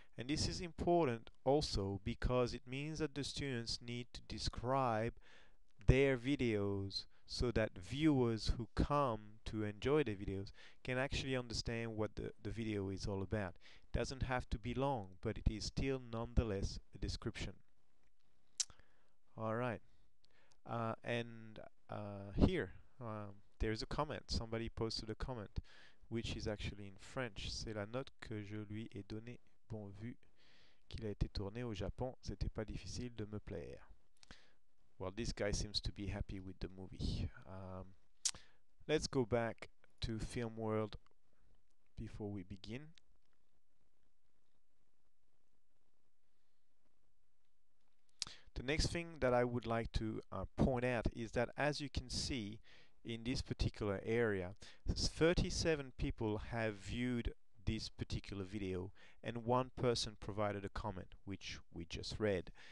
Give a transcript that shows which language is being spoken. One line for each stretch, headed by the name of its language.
English: And this is important also because it means that the students need to describe their videos so that viewers who come to enjoy the videos can actually understand what the video is all about. It doesn't have to be long, but it is still nonetheless a description. Alright. There is a comment. Somebody posted a comment, which is actually in French.
French: C'est la note que je lui ai donnée. Bon, vu qu'il a été tourné au Japon, c'était pas difficile de me plaire.
English: Well, this guy seems to be happy with the movie. Let's go back to Film World before we begin. The next thing that I would like to point out is that, as you can see, in this particular area, 37 people have viewed this particular video and one person provided a comment, which we just read.